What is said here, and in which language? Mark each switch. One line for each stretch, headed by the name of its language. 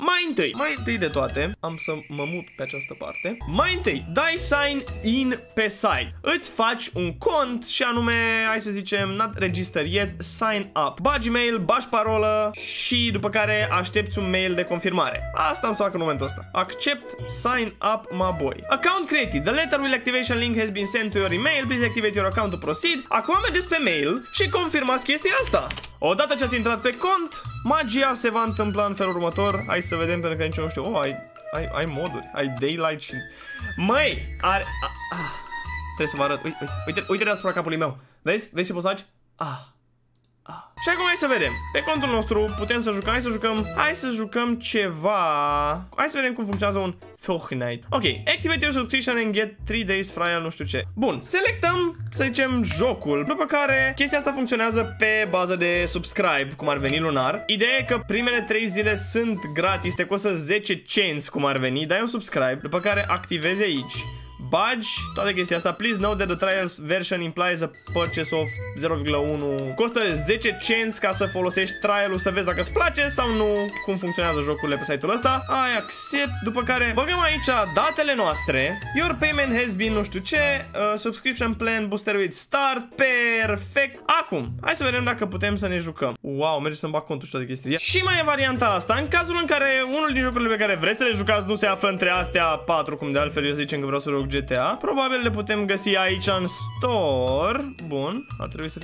Romanian: Mai întâi de toate, am să mă mut pe această parte. Mai întâi, dai sign in pe site. Îți faci un cont și anume, hai să zicem,
English: not register yet, sign up.
Romanian: Bagi mail, bagi parolă și după care aștepți un mail de confirmare. Asta am să fac în momentul ăsta.
English: Accept, sign up, my boy. Account created. The letter with activation link has been sent to your email. Please activate your account to proceed.
Romanian: Acum mergeți pe mail și confirmați chestia asta. Odată ce ați intrat pe cont, magia se va întâmpla în felul următor. Hai să vedem, pentru că nici eu nu știu. Oh, ai moduri, ai daylight și... Măi, are... trebuie să vă arăt. Uite deasupra capului meu. Vezi ce poți să faci? Și acum hai să vedem. Pe contul nostru putem să jucăm. Hai să jucăm ceva. Hai să vedem cum funcționează un Fortnite. Ok,
English: activate your subscription and get 3 days trial,
Romanian: nu știu ce. Bun, selectăm, să zicem, jocul. După care, chestia asta funcționează pe bază de subscribe, cum ar veni lunar. Ideea e că primele 3 zile sunt gratis, te costă 10 cenți, cum ar veni. Dai un subscribe, după care activezi aici. Bagi toate chestia asta.
English: Please note that the trials version implies a purchase of 0.1.
Romanian: Costă 10 cents ca să folosești trial-ul, să vezi dacă îți place sau nu, cum funcționează jocurile pe site-ul ăsta. Ai accept, după care băgăm aici datele noastre.
English: Your payment has been
Romanian: nu știu ce,
English: subscription plan, booster with start.
Romanian: Perfect. Acum, hai să vedem dacă putem să ne jucăm. Wow, merge să-mi bag contul și toate chestia. Și mai e varianta asta, în cazul în care unul din jocurile pe care vreți să le jucați nu se află între astea 4, cum de altfel eu zicem că vreau să GTA. Probabil le putem găsi aici în store. Bun, ar trebui să...